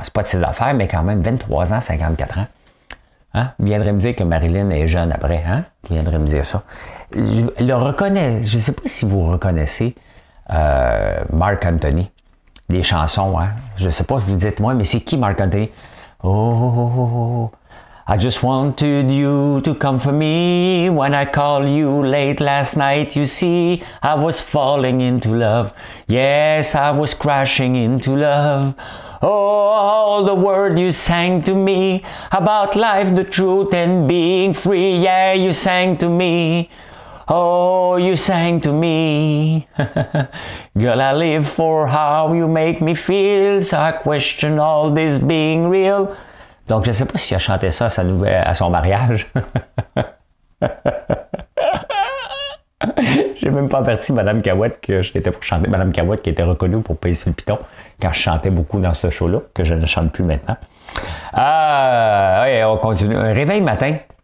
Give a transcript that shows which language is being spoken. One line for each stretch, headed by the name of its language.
French: C'est pas de ses affaires, mais quand même, 23 ans, 54 ans. Hein? Il viendrait me dire que Marilyn est jeune après. Hein? Il viendrait me dire ça. Je ne sais pas si vous reconnaissez Marc Anthony, les chansons. Hein? Je ne sais pas si vous dites moi, mais c'est qui Marc Anthony? Oh,
English: I just wanted you to come for me. When I called you late last night, you see, I was falling into love. Yes, I was crashing into love. Oh, all the words you sang to me about life, the truth, and being free. Yeah, you sang to me. Oh, you sang to me. Girl, I live for how you make me feel. So I question all this being real.
French: Donc, je ne sais pas s'il a chanté ça à sa nouvelle, à son mariage. J'ai même pas averti Mme Caouette que j'étais pour chanter. Mme Caouette qui était reconnue pour payer sur le piton quand je chantais beaucoup dans ce show-là, que je ne chante plus maintenant. Ouais, on continue. Un réveil matin.